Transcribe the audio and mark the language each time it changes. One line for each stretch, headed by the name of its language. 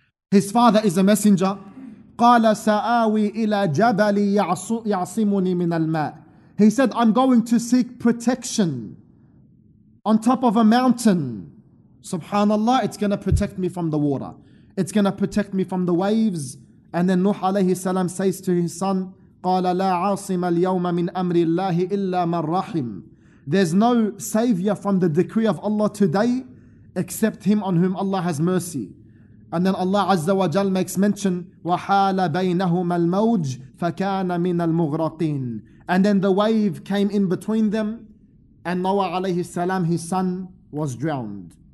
English: His father is a messenger.
Arabic: قَالَ سَآوِي إِلَى جَبَلِي يَعْصِمُنِي مِنَ الْمَاءِ.
English: He said, I'm going to seek protection on top of a mountain. Subhanallah, it's going to protect me from the water. It's going to protect me from the waves.
Arabic: And then Nuh alayhi salam says to his son, قَالَ لَا عَاصِمَ الْيَوْمَ مِنْ أَمْرِ اللَّهِ إِلَّا مَنْ رَحِمٍ.
English: There's no savior from the decree of Allah today except him on whom Allah has mercy. And then Allah Azza wa Jal makes mention, وَحَالَ بَيْنَهُمَ الْمَوْجِ فَكَانَ مِنَ الْمُغْرَقِينَ. And then the wave came in between them, and Noah alayhi salam, his son, was drowned.